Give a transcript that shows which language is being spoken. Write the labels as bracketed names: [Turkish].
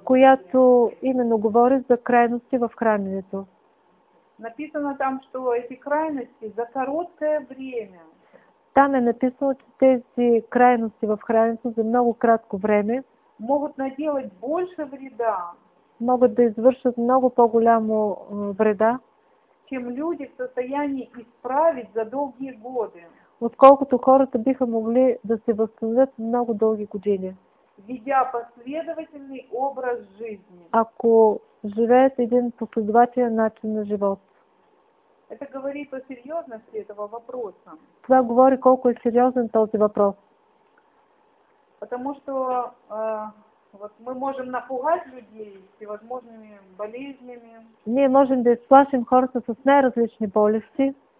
[Bulgarian] която именно говори за крайности в храненето. [Russian] Написано там, что эти крайности за короткое время. [Bulgarian] Там е написано, че тези крайности в храненето за много кратко време [Russian] могат наделать больше вреда, [Bulgarian] могат да извършат много по-голямо вреда, [Russian] чем люди в состоянии исправить за дългие годы. [Bulgarian] Отколкото хората биха могли да се възстановят много дълги години. [Russian] Ведя последовательный образ жизни. [Bulgarian] Ако живеят един последователен начин на живот. [Russian] Это говорит о серьезности этого вопроса. [Bulgarian] Това говори колко е сериозен този въпрос. [Russian] Потому что вот мы можем напугать людей всевозможными болезнями. [Bulgarian] Ние можем да изплашим хората с най-различни болести.